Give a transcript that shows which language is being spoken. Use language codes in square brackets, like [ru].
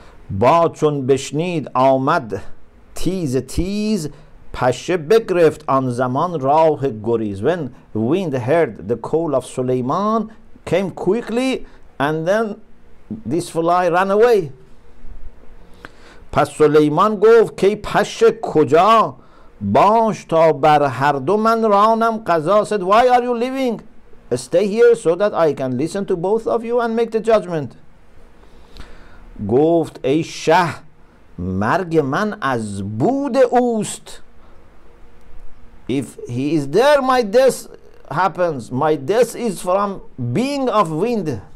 [fa] با چون بشنید آمد تیز تیز پشه بگرفت آن زمان راه گریز. [en] When wind heard the call of Sulaiman, came quickly, and then this fly ran away. [fa] پس سلیمان گفت که پشه کجا باش تا بر هر دو من رانم قضا. [en] Said, why are you leaving? Stay here so that I can listen to both of you and make the judgment. [fa] گفت ای شه مرگ من از بود اوست. [en] If he is there, my death happens. My death is from being of wind.